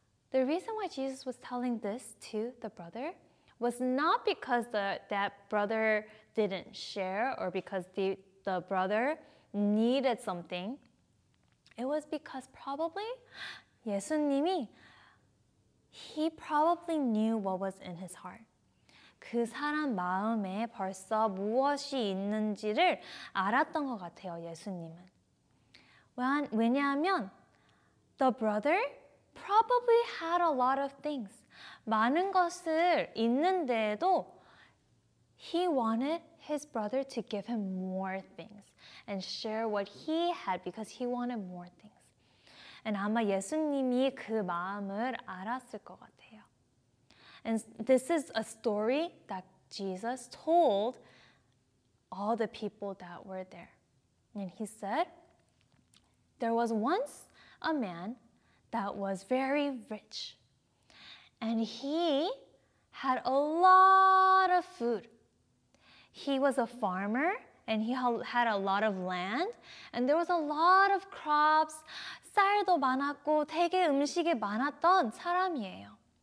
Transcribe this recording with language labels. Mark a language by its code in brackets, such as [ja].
[en] The reason why Jesus was telling this to the brother was not because that brother didn't share or because the brother needed something. It was because probably 예수님이, he probably knew what was in his heart. [ko] 그 사람 마음에 벌써 무엇이 있는지를 알았던 것 같아요, 예수님은. [en] 왜냐하면 the brother probably had a lot of things. [ko] 많은 것을 있는데도 [en] he wanted his brother to give him more things and share what he had because he wanted more things. [ko] And 아마 예수님이 그 마음을 알았을 것 같아요. [en] And this is a story that Jesus told all the people that were there. And he said, there was once a man that was very rich. And he had a lot of food. He was a farmer and he had a lot of land. And there was a lot of crops, [ko] 쌀도 많았고 되게 음식이 많았던 사람이에요.